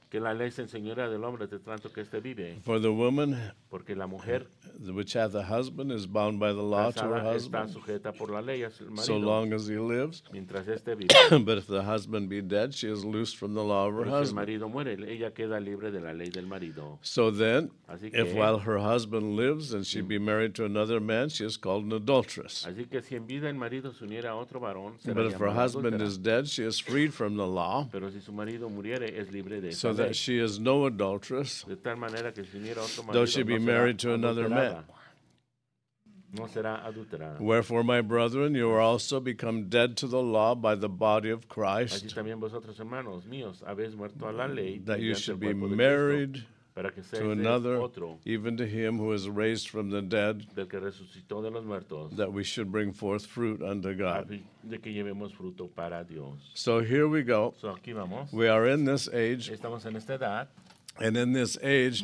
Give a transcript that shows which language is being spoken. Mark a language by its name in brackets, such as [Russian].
[Spanish] Que la ley se enseñorea del hombre de tanto que este vive. [English] For the woman [Spanish] porque la mujer [English] which hath a husband is bound by the law to her husband [Spanish] está sujeta por la ley a su marido, [English] so long as he lives. [Spanish] Mientras este vive. [English] But if the husband be dead, she is loosed from the law of her [Spanish] si [English] husband. [Spanish] El marido muere, ella queda libre de la ley del marido. [English] So then, [Spanish] así que, [English] if while her husband lives and she be married to another man, she is called an adulteress. [Spanish] Así que si en vida el marido se uniera a otro varón, será [English] but if her husband [Spanish] adultera. [English] Is dead, she is freed from the law. [Spanish] Pero si su marido muriere, es libre de [English] so that she is no adulteress, [Spanish] de tal manera que si uniera a otro marido, [English] though she be [Spanish] no [English] married to another man. [Spanish] No será adulterada. [English] Wherefore, my brethren, you are also become dead to the law by the body of Christ. [Spanish] Así también vosotros, hermanos míos, habéis muerto a la ley. [English] That you should be married [Spanish] para que [English] to another, [Spanish] otro, [English] even to him who is raised from the dead, [Spanish] del que resucitó de los muertos, [English] that we should bring forth fruit unto God. [Spanish] De que llevemos fruto para Dios. [English] So here we go. [Spanish] So aquí vamos. [English] We are in this age. [Spanish] Estamos en esta edad. [English] And in this age,